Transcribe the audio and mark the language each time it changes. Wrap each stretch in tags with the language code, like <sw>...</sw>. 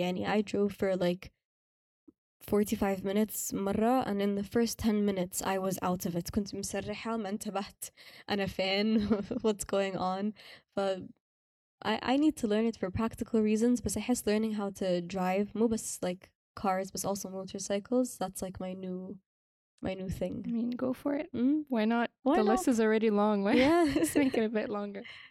<en>يعني I drove for like 45 minutes مرة, and in the first 10 minutes I was out of it.</en> <ar>كنت مسرحة ما انتبهت أنا فين.</ar> <en>What's going on? But I need to learn it for practical reasons. But I guess learning how to drive,</en> <ar>مو بس</ar> <en>like cars but also motorcycles, that's like my new thing. I mean, go for it. Why not? Why the not? List is already long. Why let's make it a bit longer.</en>